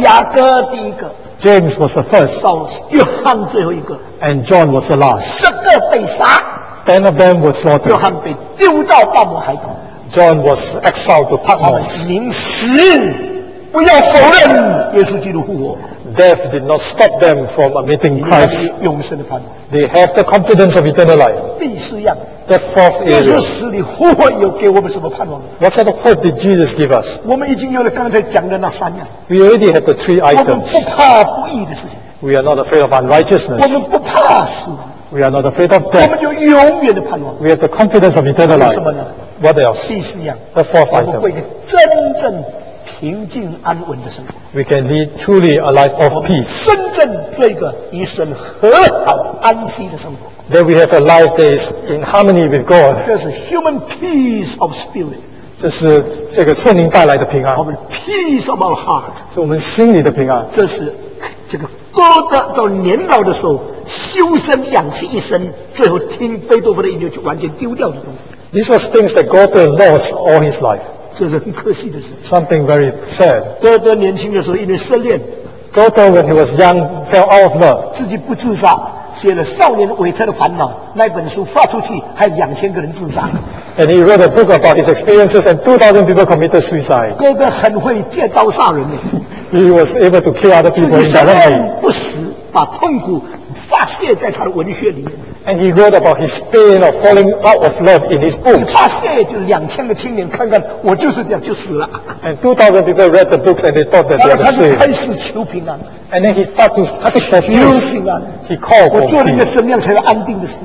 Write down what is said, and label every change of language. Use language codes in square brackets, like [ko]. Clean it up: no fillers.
[zh] 雅各第一个 [en] James was the first, [zh] 到约翰最后一个 [en] and John was the last. [zh] 十个被杀 [en] 10 of them were slaughtered. [zh] 约翰被丢到巴摩海岛 [en] John was exiled to Patmos. [zh] 临死不要否认耶稣基督复活。 [en] Death did not stop them from admitting Christ. [zh] 你们有永生的盼望。 [en] They have the confidence of eternal life. [zh] 第四样。 [en] The fourth area. [zh] 耶稣死里复活有给我们什么盼望？ [en] What sort of hope did Jesus give us? [zh] 我们已经有了刚才讲的那三样。 [en] We already have the three items. [zh] 我们不怕不义的事情。 [en] We are not afraid of unrighteousness. [zh] 我们不怕死。 [en] We are not afraid of death. [zh] 我们有永远的盼望。 [en] We have the confidence of eternal life. [zh] 什么呢？ [en] What else? [zh] 第四样。 [en] The fourth item. [zh] 我们过一个真正平静安稳的生活。 [en] We can lead truly a life of peace. [zh] 真正做一个与神和好安息的生活。 [en] That we have a life that is in harmony with God. [zh] 这是 [en] human peace of spirit. [zh] 这是这个圣灵带来的平安。我们 [en] peace of our heart. [zh] 是我们心里的平安。这是这个歌德到年老的时候修身养性一生，最后听贝多芬的音乐就完全丢掉的东西。 [en] These were things that Goethe lost all his life. [zh] 这是很可惜的事。 [en] Something very sad. [zh] 哥德年轻的时候因为失恋。 [en] Goethe, when he was young, fell out of love. [zh] 自己不自杀，写了《少年维特的烦恼》那本书发出去，还有2000个人自杀。 [en] And he wrote a book about his experiences, and 2000 people committed suicide. [zh] 哥德很会借刀杀人的。 [en] He was able to kill other people in that way. [zh] 不死，把痛苦发泄在他的文学里面。 [en] And he wrote about his pain of falling out of love in his book. [zh] 2,000 [en] And 2,000 people read the books and they thought that they are the same. And then he started to seek for peace. He called for peace.